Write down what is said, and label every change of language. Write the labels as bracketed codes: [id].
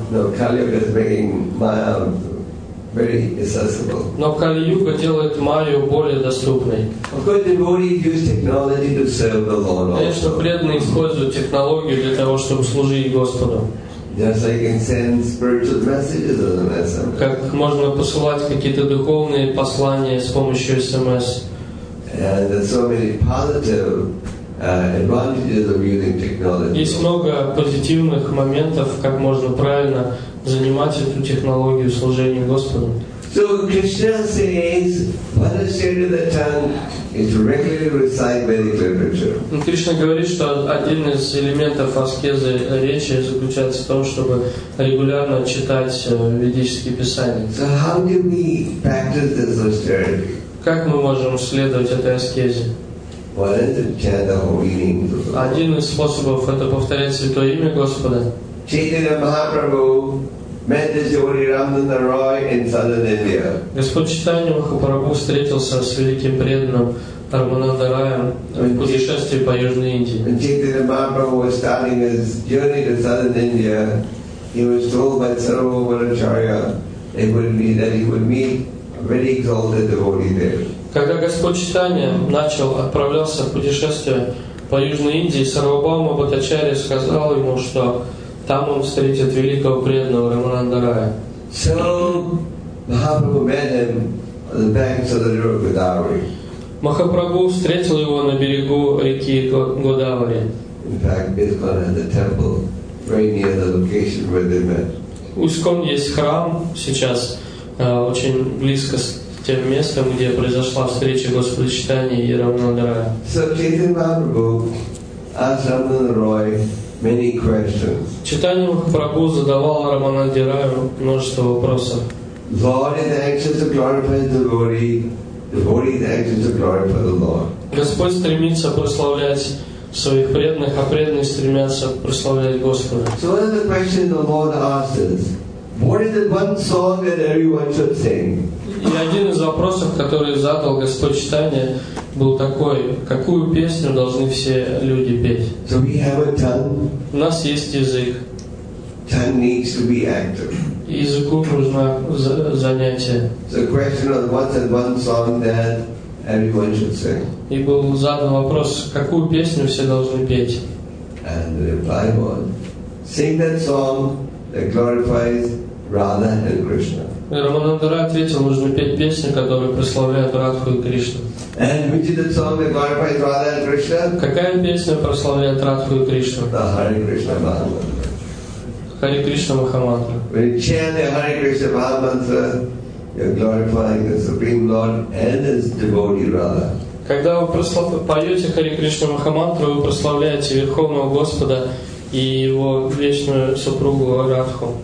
[ru] Но Кали-юга делает майю более доступной. Конечно, преданные используют технологию для того, чтобы служить Господу. [en] Just like you can send spiritual messages or SMS. [ru] Как можно посылать какие-то духовные послания с помощью SMS. [en] And there's so many positive advantages of using technology. [ru] Есть много позитивных моментов, как можно правильно занимать эту технологию служения Господу. [en] So Krishna says, what is said to the tongue is regularly recite Vedic literature. [ru] Кришна говорит, что один из элементов аскезы речи заключается в том, чтобы регулярно читать ведические писания. [en] So how do we practice this austerity? [ru] Как мы можем следовать этой аскезе? [en] What is the chant of holy name? [ru] Один из способов это повторять святое имя Господа. [en] Chaitanya Mahaprabhu met the Jyoti Ramananda Roy in southern India. [ru] Господь Чайтанья Махапрабху встретился с великим преданным Рамананда Раем в путешествии по Южной Индии. [en] When Chaitanya Mahaprabhu was starting his journey to southern India, he was told by Sarvabhauma Acharya that he would meet a very exalted devotee there. [ru] Когда Господь Чайтанья начал отправляться в путешествие по Южной Индии, Сарвабхаума Бхаттачарья сказал ему, что там он встретит великого преданного Рамананда Рая. [en] So Mahaprabhu met him on the banks of the river Godavari. [ru] Махапрабху встретил его на берегу реки Годавари. [en] In fact, ISKCON has a temple very near the location where they met. [ru] У ISKCON есть храм сейчас очень близко с тем местом, где произошла встреча Господа Чайтаньи и Рамананда Рая. [en] So Chaitanya Mahaprabhu asked Рамананда Рай many questions. [ru] Чайтанья Махапрабху задавал Рамананде Раю множество вопросов. [en] Lord is anxious to glorify the devotee. The devotee is anxious to glorify the Lord. [ru] Господь стремится прославлять своих преданных, а преданные стремятся прославлять Господа. [en] So one of the questions the Lord asks is, what is the one song that everyone should sing? [ru] И один из вопросов, который задал Господь Чайтанья, был такой: какую песню должны все люди петь? [en] So we have a tongue. [ru] У нас есть язык. [en] Tongue needs to be active. [ru] Языку нужно занятие. [en] The question was, what's the one song that everyone should sing? [ru] И был задан вопрос: какую песню все должны петь? [en] And the reply was, sing that song that glorifies Radha and Krishna. [ru] Рамананда Рай ответил, нужно петь песни, которые прославляют Радху и Кришну. [en] And which is the song that glorifies Radha and Krishna? [ru] Какая песня прославляет Радху и Кришну? [en] The Hare Krishna Mahamantra. [ru] Hare Krishna Mahamantra. [en] When you chant the Hare Krishna Mahamantra, you're glorifying the Supreme Lord and His devotee Radha. [ru] Когда вы поете Hare Krishna Mahamantra, вы прославляете Верховного Господа и его вечную супругу Радху.